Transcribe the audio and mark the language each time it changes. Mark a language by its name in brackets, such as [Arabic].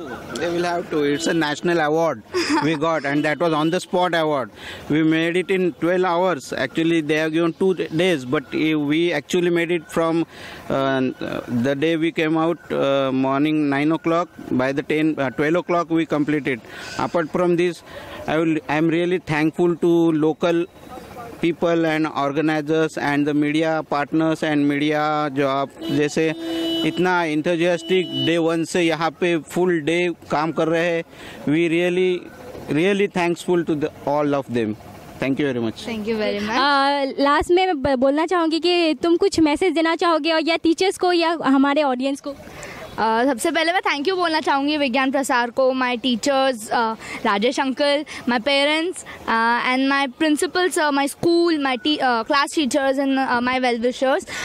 [English] They will have to, it's a national award we got and that was on the spot award, we made it in 12 hours, actually they have given 2 days but we actually made it from the day we came out morning 9 o'clock, by the 12 o'clock we completed. Apart from this I am really thankful to local people and organizers and the media partners and media job, [Hindi] जैसे इतना enthusiastic day one से यहाँ पे full day काम कर रहे हैं, [English] we really really thankful to the all of them, thank you very much, thank you very much। [Hindi] last में बोलना चाहूँगी कि तुम कुछ message देना चाहोगे और या teachers को या हमारे audience को? सबसे पहले मैं थैंक यू बोलना चाहूँगी विज्ञान प्रसार को, [English] My teachers Rajesh uncle, my parents and my principals, my school, my class teachers and my well wishers.